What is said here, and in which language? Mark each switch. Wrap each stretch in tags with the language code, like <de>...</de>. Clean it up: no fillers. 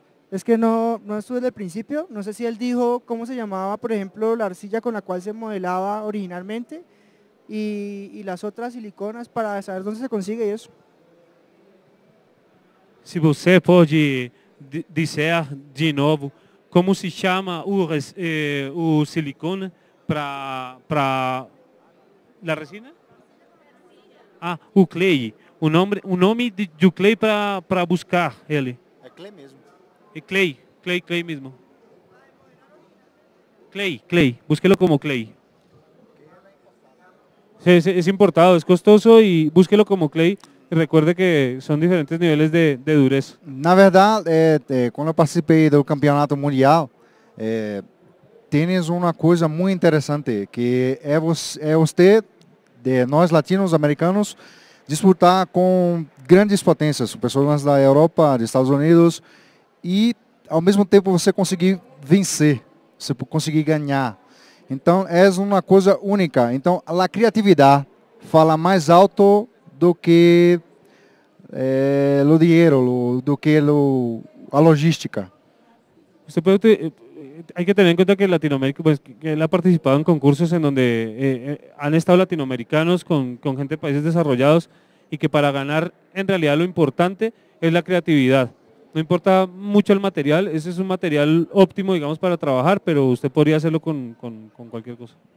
<es>Es que no estuve desde el principio, no sé si él dijo cómo se llamaba, por ejemplo, la arcilla con la cual se modelaba originalmente y las otras siliconas para saber dónde se consigue eso. Si</es> <pt>você pode dizer de novo</pt> <es>cómo se llama o silicone para la resina?</es> <pt>Ah, o clay, o nome do clay para buscar ele. Clay mesmo.</pt> <es>Clay, búsquelo como clay. Es importado, es costoso y búsquelo como clay. Recuerde que son diferentes niveles de dureza.</es> <pt>Na verdade,</pt> <es>cuando participé del campeonato mundial, tienes una cosa muy interesante,</es> <pt>que es usted, de nós latinos americanos, disputar con grandes potências, pessoas da Europa, dos Estados Unidos, e ao mesmo tempo você conseguir vencer, você conseguir ganhar. Então, é uma coisa única. Então, a criatividade fala mais alto do que o dinheiro, do que a logística. Você pode ter,</pt> <es>hay que tener en cuenta que Latinoamérica, pues, que él ha participado en concursos en donde han estado latinoamericanos con gente de países desarrollados y que para ganar en realidad lo importante es la creatividad. No importa mucho el material, ese es un material óptimo, digamos, para trabajar, pero usted podría hacerlo con cualquier cosa.</es>